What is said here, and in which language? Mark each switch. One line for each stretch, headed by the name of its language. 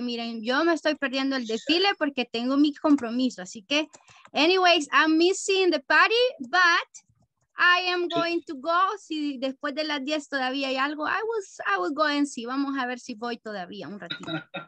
Spanish: Miren, yo me estoy perdiendo el desfile porque tengo mi compromiso. Así que,
English: anyways, I'm missing the party, but I am going to go.
Spanish: Si después de las 10 todavía hay algo,
English: I will go and see.
Spanish: Vamos a ver si voy todavía un ratito.